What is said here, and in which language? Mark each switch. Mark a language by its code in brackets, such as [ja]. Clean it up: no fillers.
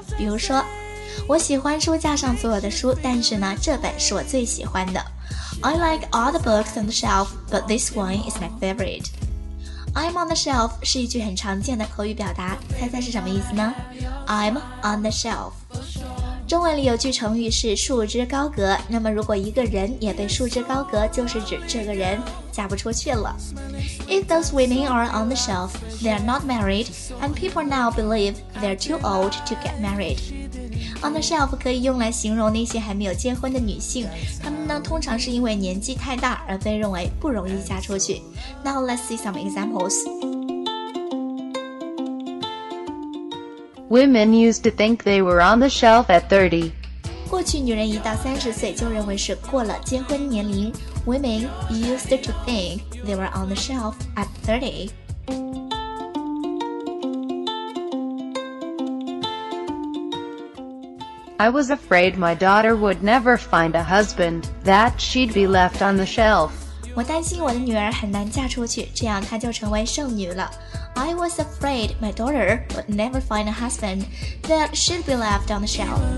[zh] 比如说，我喜欢书架上所有的书，但是呢，这本是我最喜欢的。 [en] I like all the books on the shelf, but this one is my favorite. I'm on the shelf [zh] 是一句很常见的口语表达，猜猜是什么意思呢？ [en] I'm on the shelf. [zh] 中文里有句成语是束之高阁，那么如果一个人也被束之高阁，就是指这个人嫁不出去了。 [en] If those women are on the shelf, they are not married, and people now believe they are too old to get married. [zh] On the shelf 可以用来形容那些还没有结婚的女性，她们呢通常是因为年纪太大而被认为不容易嫁出去。 [en] Now let's see some examples. Women used to think they were on the shelf at 30. [zh] 过去女人一到三十岁就认为是过了结婚年龄。 [en] Women used to think they were on the shelf at 30. I was afraid my daughter would never find a husband, that she'd be left on the shelf. [zh] 我担心我的女儿很难嫁出去，这样她就成为剩女了。 [en] I was afraid my daughter would never find a husband that should be left on the shelf.